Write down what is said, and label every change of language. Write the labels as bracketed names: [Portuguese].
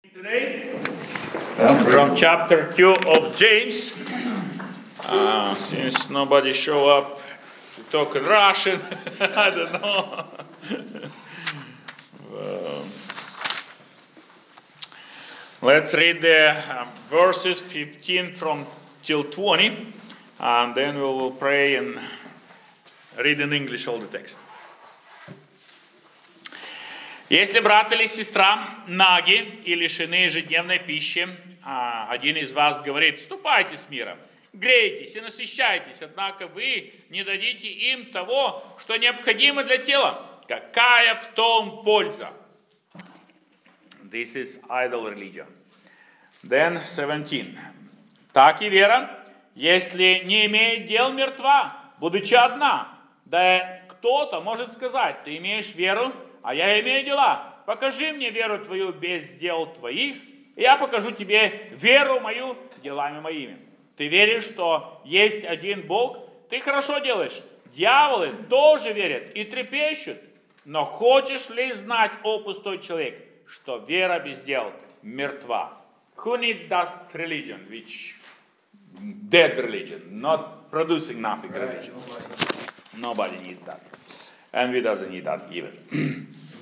[English] Today, from chapter 2 of James, since nobody show up to talk in Russian, I don't know. Let's read the verses 15 from till 20, and then we will pray and read in English all the text. [Russian] Если брат или сестра наги и лишены ежедневной пищи, один из вас говорит, вступайте с миром, грейтесь и насыщайтесь, однако вы не дадите им того, что необходимо для тела. Какая в том польза? [English] This is idol religion. Then 17. [Russian] Так и вера, если не имеет дел, мертва, будучи одна. Да кто-то может сказать, ты имеешь веру, а я имею дела. Покажи мне веру твою без дел твоих, и я покажу тебе веру мою делами моими. Ты веришь, что есть один Бог? Ты хорошо делаешь. Дьяволы тоже верят и трепещут. Но хочешь ли знать, о пустой человек, что вера без дел мертва? [English] Who needs that religion, which dead religion, not producing nothing religion? Nobody needs that. And we doesn't need that even.